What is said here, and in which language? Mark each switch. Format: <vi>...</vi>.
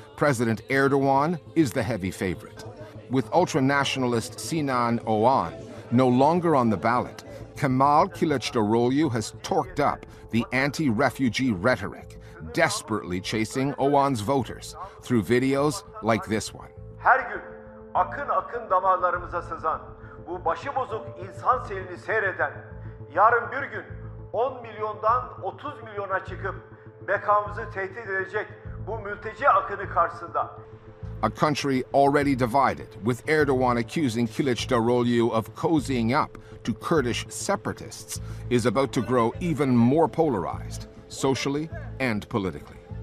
<en>President Erdogan is the heavy favorite. With ultra-nationalist Sinan Oğan no longer on the ballot, Kemal Kılıçdaroğlu has torqued up the anti-refugee rhetoric, desperately chasing Oğan's voters through videos like this one.</en> <tr>Her gün akın akın damarlarımıza sızan, bu başıbozuk insan selini seyreden, yarın bir gün 10 milyondan 30 milyona çıkıp bekamızı tehdit edecek bu mülteci akını karşısında.</tr> <en>A country already divided, with Erdogan accusing Kılıçdaroğlu of cozying up to Kurdish separatists, is about to grow even more polarized, socially and politically.</en>